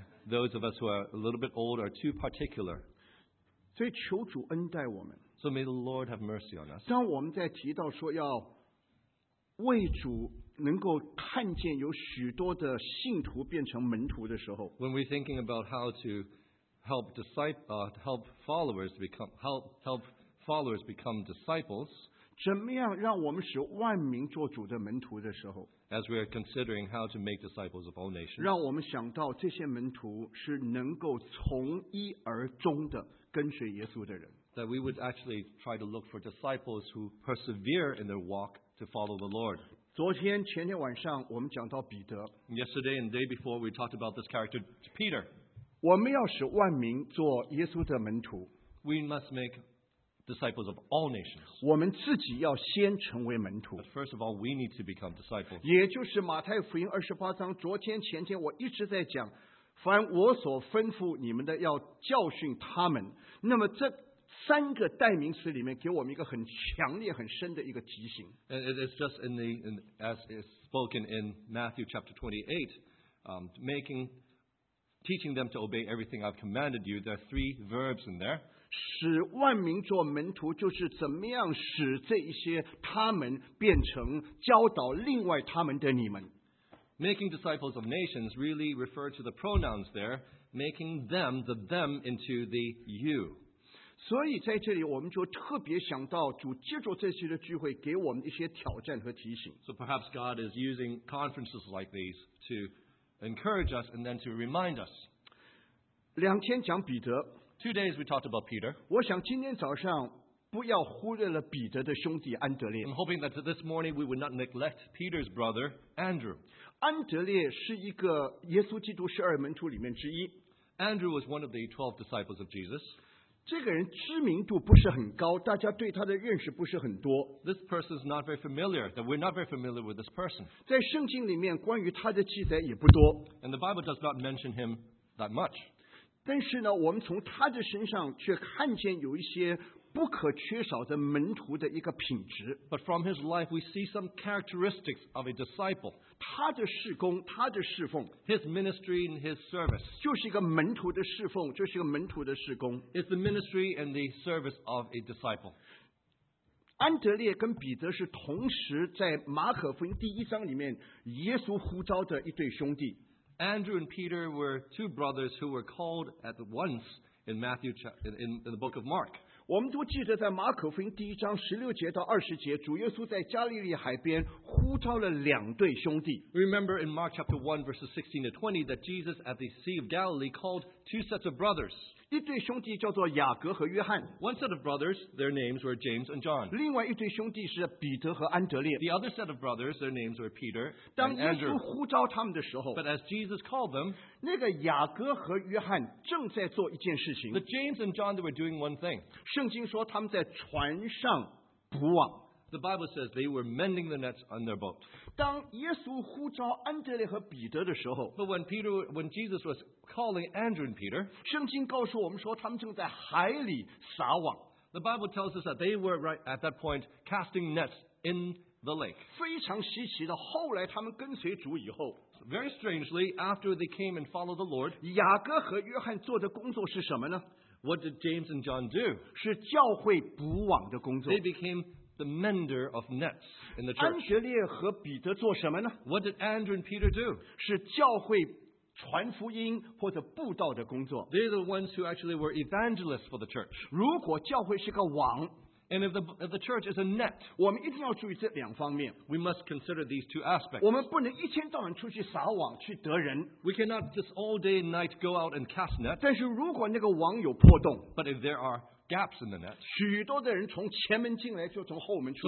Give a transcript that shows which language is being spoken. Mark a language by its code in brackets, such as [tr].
[en] Those of us who are a little bit old are too particular. [zh] 所以求主恩待我们。 [en] So may the Lord have mercy on us. [zh] 当我们在提到说要为主能够看见有许多的信徒变成门徒的时候。 [en] When we're thinking about how to help help followers become disciples. [zh] 怎么样让我们使万民做主的门徒的时候 [en] ？As we are considering how to make disciples of all nations， [zh] 让我们想到这些门徒是能够从一而终的跟随耶稣的人。 [en] That we would actually try to look for disciples who persevere in their walk to follow the Lord。 [zh] 昨天、前天晚上我们讲到彼得。 [en] Yesterday and the day before we talked about this character, Peter。 [zh] 我们要使万民做耶稣的门徒。 [en] We must make disciples of all nations. [zh] 我们自己要先成为门徒。 [en] But first of all, we need to become disciples. [zh] 也就是马太福音二十八章，昨天、前天我一直在讲，凡我所吩咐你们的，要教训他们。那么这三个代名词里面，给我们一个很强烈、很深的一个提醒。 [en] And it is just as is spoken in Matthew chapter 28, teaching them to obey everything I've commanded you. There are three verbs in there. [zh] 使万民做门徒就是怎么样使这一些他们变成教导另外他们的你们。 [en] Making disciples of nations really refer to the pronouns there, making them, the them into the you. [zh] 所以在这里我们就特别想到主借助这些的聚会给我们一些挑战和提醒。 [en] So perhaps God is using conferences like these to encourage us and then to remind us. [zh] 两天讲彼得。 [en] 2 days we talked about Peter. [zh] 我想今天早上不要忽略了彼得的兄弟安德烈。 [en] I'm hoping that this morning we would not neglect Peter's brother Andrew. [zh] 安德烈是一个耶稣基督十二门徒里面之一。 [en] Andrew was one of the 12 disciples of Jesus. [zh] 这个人知名度不是很高，大家对他的认识不是很多。 [en] This person is not very familiar. That we're not very familiar with this person. [zh] 在圣经里面关于他的记载也不多。 [en] And the Bible does not mention him that much. [zh] 但是呢，我们从他的身上却看见有一些不可缺少的门徒的一个品质。 [en] But from his life, we see some characteristics of a disciple. [zh] 他的事工，他的侍奉 [en] ，his ministry and his service， [zh] 就是一个门徒的侍奉，就是一个门徒的事工。 [en] It's the ministry and the service of a disciple. [zh] 安德烈跟彼得是同时在马可福音第一章里面耶稣呼召的一对兄弟。 [en] Andrew and Peter were two brothers who were called at once in the book of Mark. [zh] 我们都记得在马可福音第一章十六节到二十节，主耶稣在加利利海边呼召了两对兄弟。 [en] Remember in Mark chapter 1 verses 16 to 20 that Jesus at the Sea of Galilee called two sets of brothers. [zh] 一对兄弟叫做雅各和约翰。 [en] One set of brothers, their names were James and John. [zh] 另外一对兄弟是彼得和安德烈。 [en] The other set of brothers, their names were Peter and [zh] 当耶稣呼召他们的时候 [en] ，But as Jesus called them, [zh] 那个雅各和约翰正在做一件事情。 [en] The James and John they were doing one thing. [zh] 圣经说他们在船上补网。 [en] The Bible says they were mending the nets on their boat. [zh] 当耶稣呼召安德烈和彼得的时候 [en] ，But when Jesus was calling Andrew and Peter, [zh] 圣经告诉我们说他们正在海里撒网。 [en] The Bible tells us that they were right at that point casting nets in the lake. [zh] 非常稀奇的，后来他们跟随主以后 [en] ，Very strangely, after they came and followed the Lord, [zh] 雅各和约翰做的工作是什么呢 [en] ？What did James and John do? [zh] 是教会补网的工作。 [en] They became the mender of nets in the church. [zh] 安德烈和彼得做什么呢 [en] ？What did Andrew and Peter do? [zh] 是教会传福音或者布道的工作。 [en] They're the ones who actually were evangelists for the church. [zh] 如果教会是个网 [en] ，and if the church is a net, [zh] 我们一定要注意这两方面。 [en] We must consider these two aspects. [zh] 我们不能一天到晚出去撒网去得人。 [en] We cannot just all day and night go out and cast nets. [zh] 但是如果那个网有破洞 [en] ，but if there are gaps in the net. [zh] 许多的人从前门进来就从后门出去。